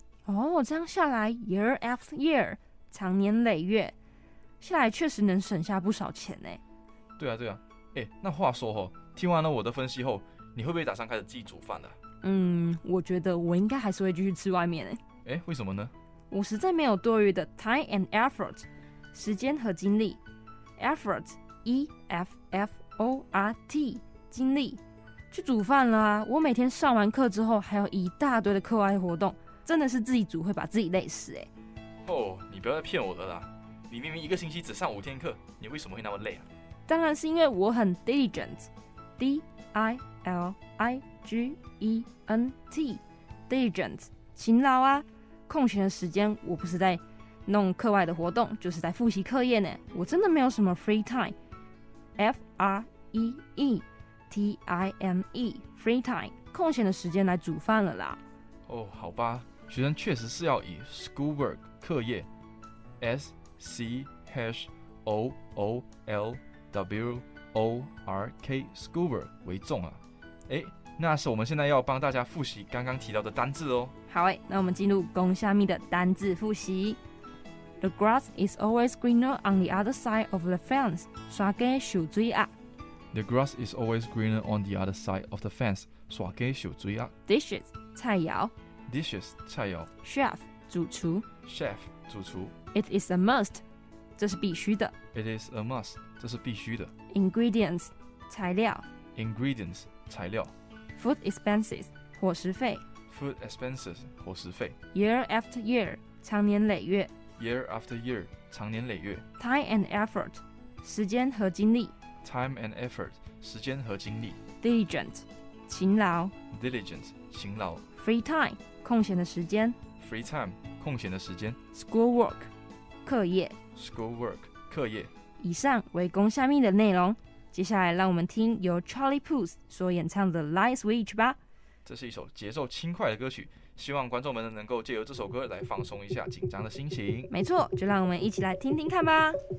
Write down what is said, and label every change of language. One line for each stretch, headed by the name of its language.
Chinese: 哦，这样下来 ，
English: year after year，
Chinese: 长年累月下来，确实能省下不少钱呢。对啊，对啊。哎，那话说哦，听完了我的分析后，你会不会打算开始自己煮饭的？嗯，我觉得我应该还是会继续吃外面呢。哎，为什么呢？我实在没有多余的
English: time and effort，
Chinese: 时间和精力。
English: effort， E F F O R T， 精力。
Chinese: 去煮饭啦、啊！我每天上完课之后还有一大堆的课外活动，真的是自己煮会把自己累死哎、欸。哦，你不要再骗我了啦！你明明一个星期只上5天课，你为什么会那么累啊？当然是因为我很
English: diligent， D I L I G E N T， diligent，
Chinese: 勤劳啊！空闲的时间我不是在弄课外的活动，就是在复习课业呢。我真的没有什么
English: free time， F R E E。 T-I-M-E free time
Chinese: 空闲的时间来煮饭了啦。哦，好吧，学生确实是要以 schoolwork 课业
English: S-C-H-O-O-L-W-O-R-K schoolwork
Chinese: 为重啊。哎，那是我们现在要帮大家复习刚刚提到的单字哦。好耶，那我们进入公虾蜜的单字复习。
English: The grass is always greener on the other side of the fence，
Chinese: 刷鸡手追啊。
English: The grass is always greener on the other side of the fence.
Chinese: 刷鸡手追啊。
English: Dishes 菜肴。 Dishes 菜肴。 Chef 主厨。 Chef 主厨。 It is a must.
Chinese: 这是必须的。
English: It is a must.
Chinese: 这是必须的。
English: Ingredients 材料 ingredients 材料 food expenses 伙食费 food expenses 伙食费 year after year 长年累月 year after year 长年累月 time and effort 时间和精力 time and effort 时间和精力 diligent 勤劳 diligent 勤劳 free time 空闲的时间 free time 空闲的时间 school work 课业 school work 课业
Chinese: 以上为供下面的内容接下来让我们听由 Charlie Puth 所演唱的 Light Switch 吧这是一首节奏轻快的歌曲希望观众们能够借由这首歌来放松一下紧张的心情没错就让我们一起来听听看吧